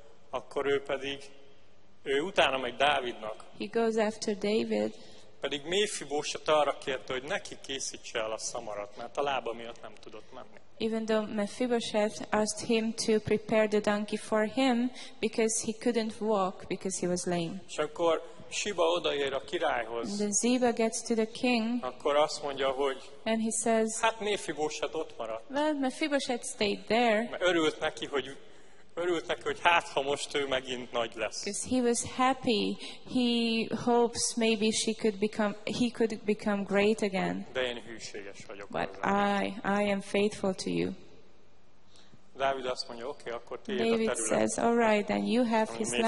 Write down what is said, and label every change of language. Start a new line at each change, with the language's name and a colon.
Hungarian: Akkor ő pedig, ő utána megy Dávidnak.
English: He goes after David.
Hungarian: Pedig Mephibosheth arra kérte, hogy neki készítse el a szamarat, mert a lába miatt nem tudott menni.
English: Even though Mephibosheth asked him to prepare the donkey for him, because he couldn't walk, because he was lame.
Hungarian: És akkor Siba odaér a királyhoz.
English: And then Ziba gets to the king.
Hungarian: Akkor azt mondja, hogy
English: and he says,
Hungarian: hát Mephibosheth ott maradt.
English: Well, Mephibosheth stayed there.
Hungarian: Örült neki, hogy hát ha most ő megint nagy lesz.
English: Because he was happy, he hopes maybe he could become great again.
Hungarian: De én hűséges vagyok.
English: But I am faithful to you.
Hungarian: Dávid azt mondja, oké, okay, akkor tiéd a terület.
English: David says, all right, then you have his land.